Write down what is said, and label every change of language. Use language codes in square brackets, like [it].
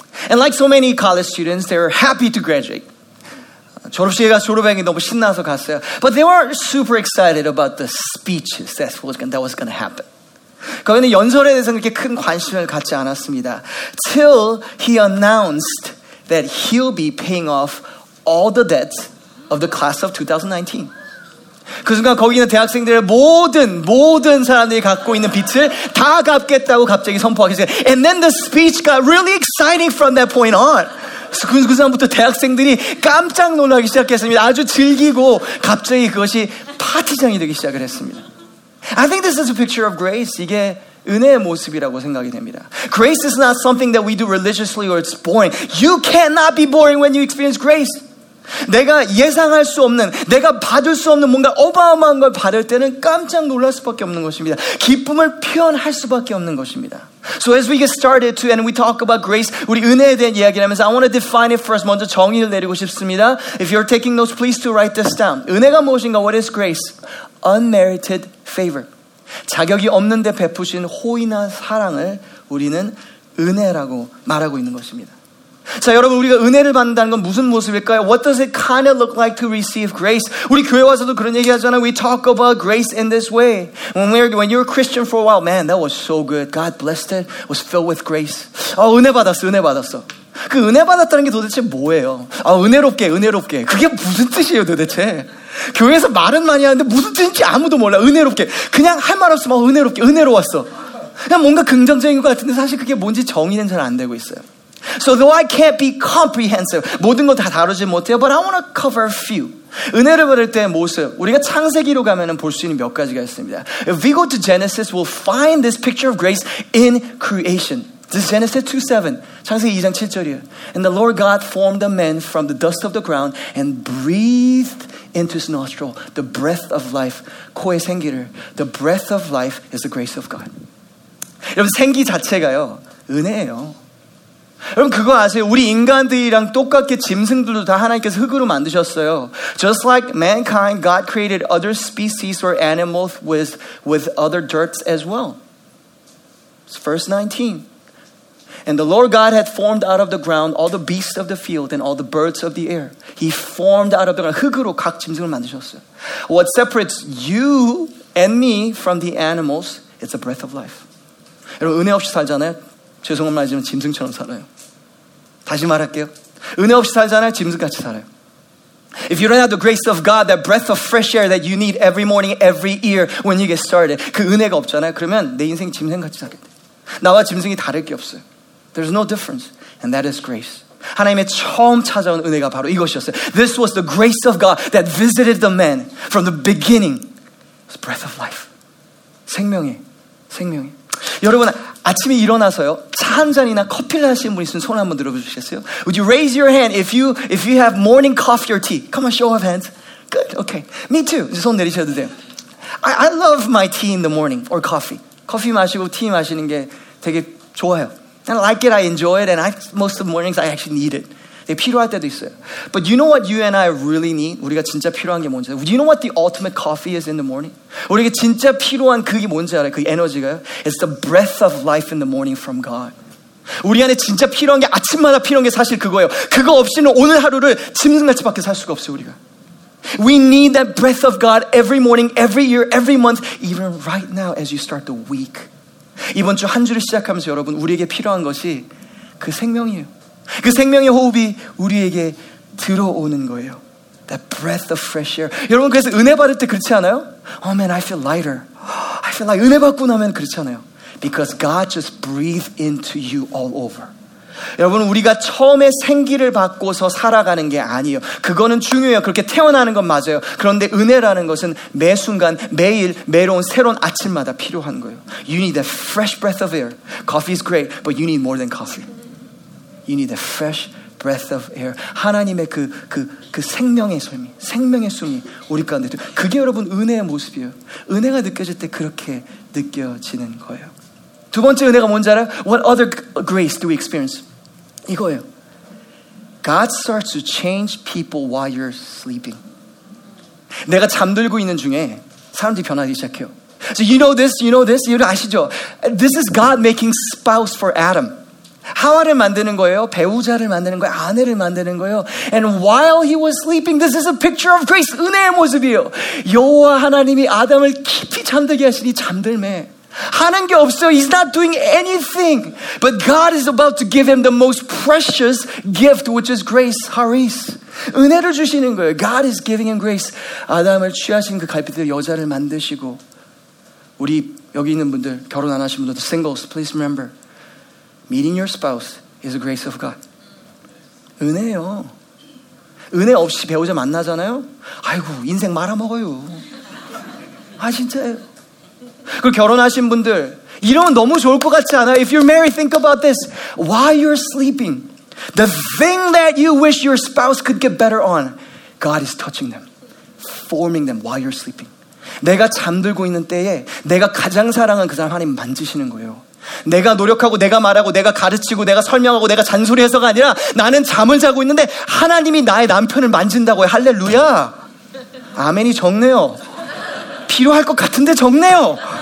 [en] And like so many college students, they were happy to graduate. [ko] 졸업식에 가서 졸업하기 너무 신나서 갔어요. [en] But they weren't super excited about the speeches that was going to happen. [ko] 그분은 연설에 대해서 그렇게 큰 관심을 갖지 않았습니다. [en] Till he announced that he'll be paying off all the debts of the class of 2019. [ko] 그 순간 거기 있는 대학생들의 모든 사람들이 갖고 있는 빚을 다 갚겠다고 갑자기 선포하게 되어요. [en] And then the speech got really exciting from that point on. [ko] 그 순간부터 대학생들이 깜짝 놀라기 시작했습니다. 아주 즐기고 갑자기 그것이 파티장이 되기 시작을 했습니다. [en] I think this is a picture of grace. [ko] 이게 은혜의 모습이라고 생각이 됩니다. [en] Grace is not something that we do religiously or it's boring. You cannot be boring when you experience grace. [ko] 내가 예상할 수 없는, 내가 받을 수 없는 뭔가 어마어마한 걸 받을 때는 깜짝 놀랄 수밖에 없는 것입니다. 기쁨을 표현할 수밖에 없는 것입니다. [en] So as we get started to and we talk about grace, [ko] 우리 은혜에 대한 이야기를 하면서 [en] I want to define it first. [ko] 먼저 정의를 내리고 싶습니다. [en] If you're taking notes, please to write this down. [ko] 은혜가 무엇인가? [en] What is grace? Unmerited favor. [ko] 자격이 없는데 베푸신 호의나 사랑을 우리는 은혜라고 말하고 있는 것입니다. 자 여러분 우리가 은혜를 받는다는 건 무슨 모습일까요? [en] What does it kind of look like to receive grace? [ko] 우리 교회 와서도 그런 얘기 하잖아요. [en] We talk about grace in this way. When you were Christian for a while, man, that was so good. God blessed it. Was filled with grace. [ko] 아 은혜 받았어. 그 은혜 받았다는 게 도대체 뭐예요? 아 은혜롭게. 그게 무슨 뜻이에요 도대체? 교회에서 말은 많이 하는데 무슨 뜻인지 아무도 몰라. 은혜롭게. 그냥 할 말 없으면 은혜로웠어. 그냥 뭔가 긍정적인 것 같은데 사실 그게 뭔지 정의는 잘 안 되고 있어요. [en] So though I can't be comprehensive, [ko] 모든 거 다 다루지 못해요. [en] But I want to cover a few. [ko] 은혜를 받을 때의 모습. 우리가 창세기로 가면은 볼 수 있는 몇 가지가 있습니다. [en] If we go to Genesis, we'll find this picture of grace in creation. This is Genesis 2:7. 창세기 2장 7절이에요. And the Lord God formed the man from the dust of the ground and breathed into his nostril the breath of life. [ko] 코에 생기를. [en] The breath of life is the grace of God. [ko] 여러분 생기 자체가요 은혜예요. 여러분 그거 아세요? 우리 인간들이랑 똑같게 짐승들도 다 하나님께서 흙으로 만드셨어요. [en] Just like mankind, God created other species or animals with other dirts as well. It's verse 19. And the Lord God had formed out of the ground all the beasts of the field and all the birds of the air. He formed out of the ground. [ko] 흙으로 각 짐승을 만드셨어요. [en] What separates you and me from the animals is the breath of life. [ko] 여러분 은혜 없이 살잖아요. 죄송한 말이지만 짐승처럼 살아요. 다시 말할게요. 은혜 없이 살잖아요. 짐승같이 살아요. [en] If you don't have the grace of God, that breath of fresh air that you need every morning, every year when you get started, [ko] 그 은혜가 없잖아요. 그러면 내 인생 짐승같이 살게 돼. 나와 짐승이 다를 게 없어요. [en] There's no difference. And that is grace. [ko] 하나님의 처음 찾아온 은혜가 바로 이것이었어요. [en] This was the grace of God that visited the man from the beginning. It's breath of life. [ko] 생명이. 여러분 아침에 일어나서요 차 한 잔이나 커피를 하시는 분 있으면 손 한번 들어보시겠어요? [en] Would you raise your hand if you have morning coffee or tea? Come on, show of hands. Good, okay. Me too. [ko] 이제 손 내리셔도 돼요. [en] I love my tea in the morning or coffee. [ko] 커피 마시고 티 마시는 게 되게 좋아요. [en] And I like it, I enjoy it, and most of the mornings I actually need it. [ko] 네, 필요할 때도 있어요. [en] But you know what you and I really need? [ko] 우리가 진짜 필요한 게 뭔지 알아요? [en] Do you know what the ultimate coffee is in the morning? [ko] 우리가 진짜 필요한 그게 뭔지 알아요? 그 에너지가요? [en] It's the breath of life in the morning from God. [ko] 우리 안에 진짜 필요한 게 아침마다 필요한 게 사실 그거예요. 그거 없이는 오늘 하루를 짐승같이 밖에 살 수가 없어요, 우리가. [en] We need that breath of God every morning, every year, every month, even right now as you start the week. [ko] 이번 주 한 주를 시작하면서 여러분 우리에게 필요한 것이 그 생명이에요. 그 생명의 호흡이 우리에게 들어오는 거예요. [en] That breath of fresh air. [ko] 여러분 그래서 은혜 받을 때 그렇지 않아요? [en] Oh man, I feel lighter. I feel like [ko] 은혜 받고 나면 그렇지 않아요? [en] Because God just breathed into you all over. [ko] 여러분 우리가 처음에 생기를 받고서 살아가는 게 아니에요. 그거는 중요해요. 그렇게 태어나는 건 맞아요. 그런데 은혜라는 것은 매 순간, 매일, 매로운 새로운 아침마다 필요한 거예요. [en] You need that fresh breath of air. Coffee is great, but you need more than coffee. You need a fresh breath of air. [ko] 하나님의 그 생명의 숨이, 생명의 숨이 우리 가운데 들어. 그게 여러분 은혜의 모습이에요. 은혜가 느껴질 때 그렇게 느껴지는 거예요. 두 번째 은혜가 뭔지 알아? [en] What other grace do we experience? [ko] 이거예요. [en] God starts to change people while you're sleeping. [ko] 내가 잠들고 있는 중에 사람들이 변하기 시작해요. [en] So you know this, you know this, [ko] 이거 아시죠? [en] This is God making spouse for Adam. [ko] 하와를 만드는 거예요. 배우자를 만드는 거예요. 아내를 만드는 거예요. [en] And while he was sleeping, this is a picture of grace. [ko] 은혜의 모습이에요. 여호와 하나님이 아담을 깊이 잠들게 하시니 잠들매. 하는 게 없어요. [en] He's not doing anything. But God is about to give him the most precious gift, which is grace, haris. [ko] 은혜를 주시는 거예요. [en] God is giving him grace. [ko] 아담을 취하신 그 갈피뼈 여자를 만드시고 우리 여기 있는 분들, 결혼 안 하신 분들, [en] the singles, please remember. Meeting your spouse is a grace of God. [ko] 은혜요. 은혜 없이 배우자 만나잖아요. 아이고, 인생 말아먹어요. 아, 진짜요. 그리고 결혼하신 분들, 이러면 너무 좋을 것 같지 않아요? [en] If you're married, think about this. While you're sleeping, the thing that you wish your spouse could get better on, God is touching them, forming them while you're sleeping. [ko] 내가 잠들고 있는 때에 내가 가장 사랑한 그 사람 하나님 만지시는 거예요. 내가 노력하고 내가 말하고 내가 가르치고 내가 설명하고 내가 잔소리해서가 아니라 나는 잠을 자고 있는데 하나님이 나의 남편을 만진다고요. 할렐루야. 아멘이 적네요. 필요할 것 같은데 적네요.